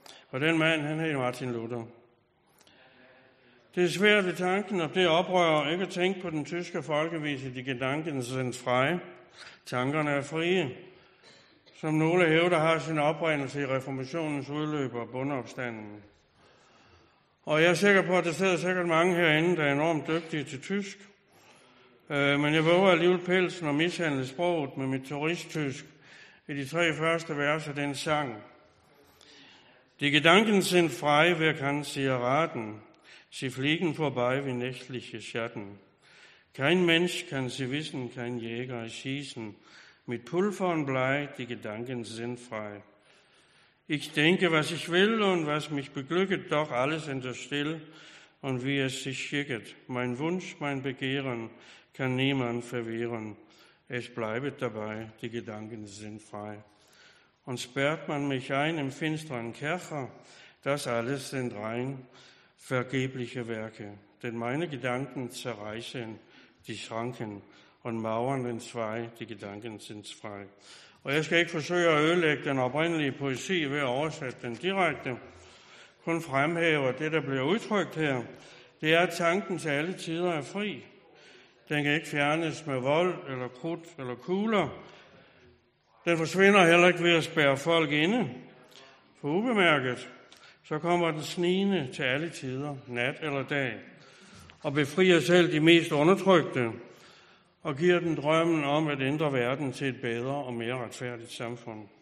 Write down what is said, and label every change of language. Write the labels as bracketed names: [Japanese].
[Danish] Og den mand, han hed Martin Luther. Det er svært ved tanken, og det oprører ikke at tænke på den tyske folkevise, [German] de gedanken sinds frei, [Danish] tankerne er frie, som nogle hævder har sin oprindelse i reformationens udløb og bondeopstanden. Og jeg er sikker på, at der sidder sikkert mange herinde, der er enormt dygtige til tysk, men jeg våger alligevel pelsen og mishandle sproget med mit turisttysk i de tre første vers af den sang. [German] Die Gedanken sind frei, wer kann sie erraten? Sie fliegen vorbei wie nächtliche Schatten. Kein Mensch kann sie wissen, kein Jäger schießen. Mit Pulver und Blei, die Gedanken sind frei. Ich denke, was ich will und was mich beglücket, doch alles in der Still und wie es sich schicket. Mein Wunsch, mein Begehren kann niemand verwehren. Es bleibet dabei, die Gedanken sind frei. Und sperrt man mich ein im finsteren Kercher, das alles sind rein vergebliche Werke. Denn meine Gedanken zerreißen die Schranken und Mauern in zwei, die Gedanken sind frei. [Danish] Og jeg skal ikke forsøge at ødelægge den oprindelige poesi ved at oversætte den direkte. Kun fremhæve, det, der bliver udtrykt her, det er, at tanken til alle tider er fri. Den kan ikke fjernes med vold eller krudt eller kugler. Den forsvinder heller ikke ved at spærre folk inde. For ubemærket, så kommer den snigende til alle tider, nat eller dag, og befrier selv de mest undertrykte, og giver den drømmen om at ændre verden til et bedre og mere retfærdigt samfund.